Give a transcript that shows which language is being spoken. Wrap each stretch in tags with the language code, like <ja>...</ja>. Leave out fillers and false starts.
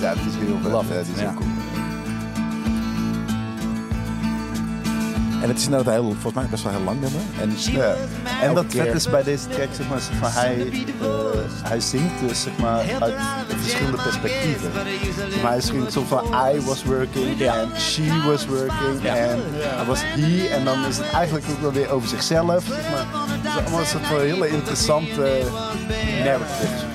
<nl>Ja, dat is heel blaf. Ja, dat is heel cool. En het is nou heel, volgens mij best wel heel lang nummer. En dat vet is bij deze track, zeg maar, zeg maar hij zingt dus zeg maar, uit verschillende perspectieven. Maar hij schreef zo van,</nl> <en>I was working, and she was working, and I was he.</en> <nl>En dan is het eigenlijk ook wel weer over zichzelf. Zeg maar. Het is allemaal een soort hele interessante narrative.</nl>